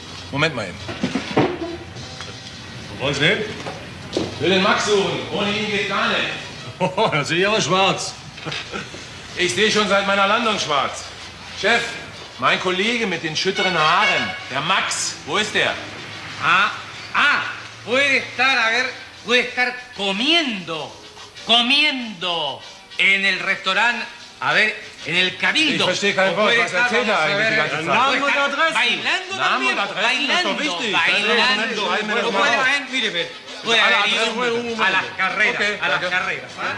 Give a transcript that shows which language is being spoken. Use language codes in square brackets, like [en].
[de] Moment mal eben. Wollen Sie hin? Ich will den Max suchen. Ohne ihn geht gar nicht. Oh, da sehe ich aber schwarz. Ich sehe schon seit meiner Landung schwarz. Chef, mein Kollege mit den schütteren Haaren, der Max, wo ist der? [es] Ah, puede estar, a ver, puede estar comiendo, comiendo en el restaurant, a ver, en el cabildo. [de] Ich verstehe kein Wort, was erzählt er eigentlich die ganze Zeit? Namen und Adressen. [es] Bailando, [de] Namen und Adressen, das ist doch wichtig. [es] Bailando, bailando. Puede ir, mire, puede ir a las carreras, okay, a las carreras.